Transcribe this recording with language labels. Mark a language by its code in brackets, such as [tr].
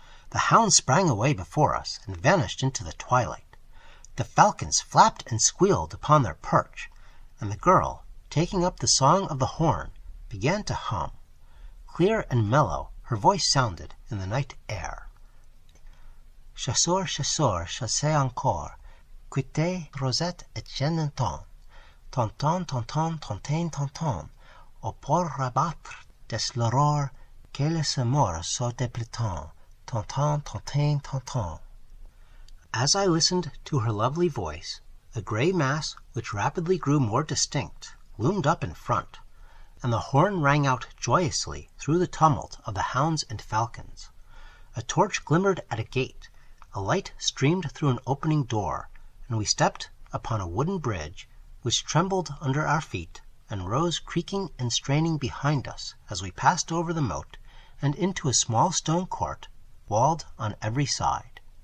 [en] The hound sprang away before us and vanished into the twilight. The falcons flapped and squealed upon their perch, and the girl, taking up the song of the horn, began to hum. Clear and mellow, her voice sounded in the night air. [fr] "Chasseur, chasseur, chassez encore, quittez Rosette et Jeanneton, tonton, tonton, tontain, tonton, au port rabattre des l'aurore, quel est ce mort sur des plétons, tonton, tontain, tonton." [en] As I listened to her lovely voice, a gray mass, which rapidly grew more distinct, loomed up in front, and the horn rang out joyously through the tumult of the hounds and falcons. A torch glimmered at a gate, a light streamed through an opening door, and we stepped upon a wooden bridge, which trembled under our feet and rose creaking and straining behind us as we passed over the moat and into a small stone court, walled on every side.